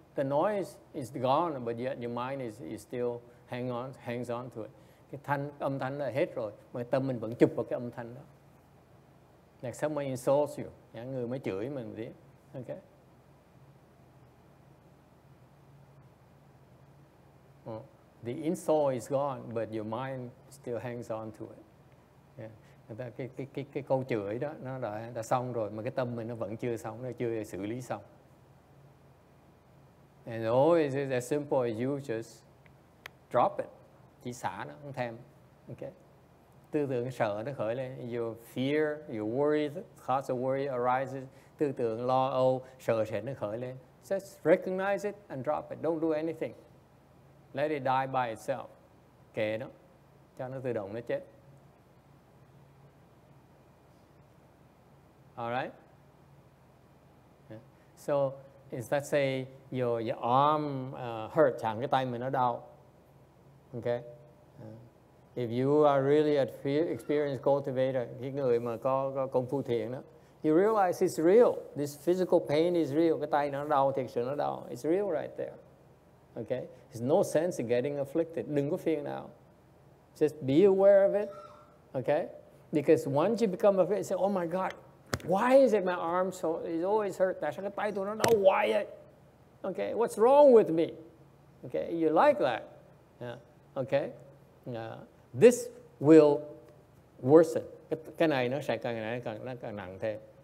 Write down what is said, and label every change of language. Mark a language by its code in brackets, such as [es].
[en] The noise is gone, but yet your mind is still hangs on to it. [vi] Cái thanh, âm thanh là hết rồi, mà tâm mình vẫn chụp vào cái âm thanh đó. [en] Like someone insults you, [vi] những người mới chửi mình gì? [en] Okay. Well, the insult is gone, but your mind still hangs on to it. [vi] Người ta cái câu chửi đó nó đã xong rồi, mà cái tâm mình nó vẫn chưa xong, nó chưa xử lý xong. [en] And always it's as simple as you just drop it. [vi] Chỉ xả nó, không thèm. [en] Okay. [vi] Tư tưởng sợ nó khởi lên. [en] Your fear, your worry, thoughts of worry arises. [vi] Tư tưởng lo âu, sợ sệt nó khởi lên. [en] Just recognize it and drop it. Don't do anything. Let it die by itself. [vi] Kệ nó. Cho nó tự động nó chết. [en] Alright. Yeah. So, is that say your arm hurt, [vi] chẳng cái tay mình nó đau. [en] Okay. If you are really an experienced cultivator, [vi] cái người mà có công phu thiền đó, [en] you realize it's real. This physical pain is real. [vi] Cái tay nó đau, thiệt sự nó đau. [en] It's real right there. Okay. There's no sense in getting afflicted. [vi] Đừng có phiền nào. [en] Just be aware of it. Okay. Because once you become afflicted, say, oh my God, why is it my arm so is always hurt? [vi] Tại sao cái tay tôi nó đau hoài vậy? [en] Okay, what's wrong with me? Okay, you like that? Yeah. Okay. Yeah. This will worsen. [vi] Cái này nó sẽ càng nặng thêm.